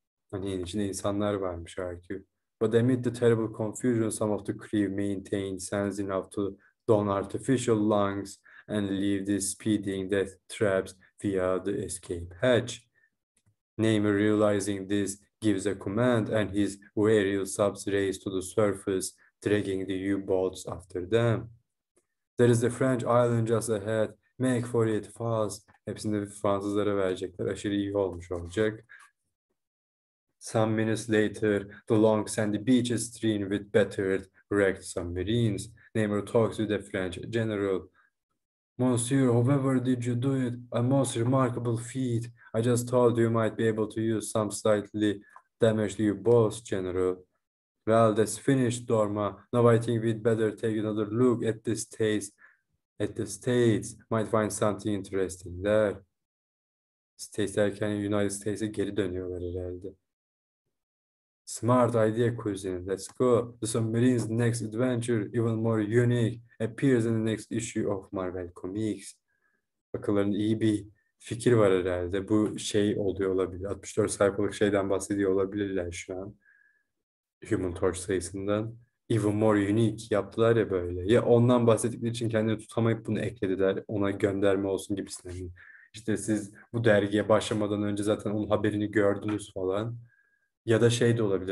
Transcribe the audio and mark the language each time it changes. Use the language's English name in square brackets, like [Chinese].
[Turkish] Hani içinde insanlar varmış herkü. [English] But amid the terrible confusion, some of the crew maintain sense enough to don artificial lungs and leave the speeding death traps via the escape hatch. Neymar realizing this, gives a command and his aerial subs race to the surface, dragging the U-boats after them. There is the French island just ahead. Make for it fast. [Turkish] Hepsini de Fransızlara verecekler. Aşırı iyi olmuş olacak. [English] Some minutes later, the long sandy beach is strewn with battered, wrecked submarines. Neymar talks with the French general. Monsieur, however did you do it? A most remarkable feat. I just told you might be able to use some slightly damaged U-boats, General. Well, that's finished, Dorma. Now I think we'd better take another look at the States. At the States, might find something interesting there. [Turkish] States derken United States'e geri dönüyorlar herhalde. [English] Smart idea, cousin. Let's go. The submarine's next adventure, even more unique, appears in the next issue of Marvel Comics. [Turkish] Akılların iyi bir fikir var herhalde. Bu şey oluyor olabilir. 64 sayfalık şeyden bahsediyor olabilirler şu an. Human Torch sayısından. [English] Even more unique [Turkish] yaptılar ya böyle. Ya ondan bahsettikleri için kendini tutamayıp bunu eklediler. Ona gönderme olsun gibisinden. İşte siz bu dergiye başlamadan önce zaten onun haberini gördünüz falan. Ya da şey de olabilir.